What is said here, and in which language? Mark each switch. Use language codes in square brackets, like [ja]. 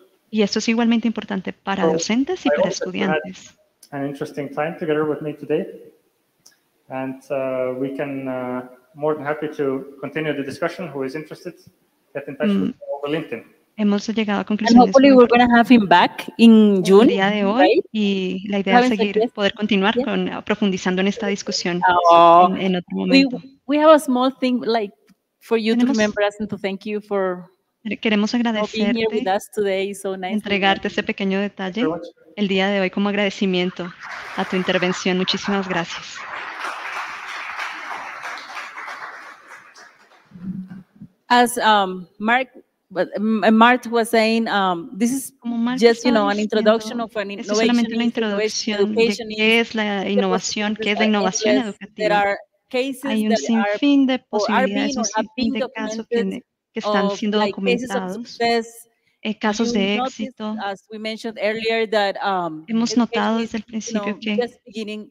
[es] Y esto es igualmente importante para docentes y para estudiantes. [en] An interesting time together with me today, and we can more than happy to continue the discussion. Who is interested, get in touch with LinkedIn. [es] Hemos llegado a conclusiones. [en] And hopefully we're going to have him back in June. [es] El día de hoy, [en] right? [es] Y la idea es seguir, poder continuar con profundizando en esta discusión en otro momento. [en] We have a small thing like for you to remember us and to thank you for. [es] Queremos agradecerte. [en] Being here with us today, so nice. [es] Entregarte ese pequeño detalle el día de hoy como agradecimiento a tu intervención. Muchísimas gracias. [en] As Mark. But Märt was saying, this is just, you know, an introduction of an innovation. [es] Es solamente una introducción de qué es la innovación educativa. [en] There are cases [es] hay un sinfín de posibilidades, un sinfín de casos que están siendo documentados. Casos de éxito. [en] As we mentioned earlier, that, [es] hemos notado desde el principio que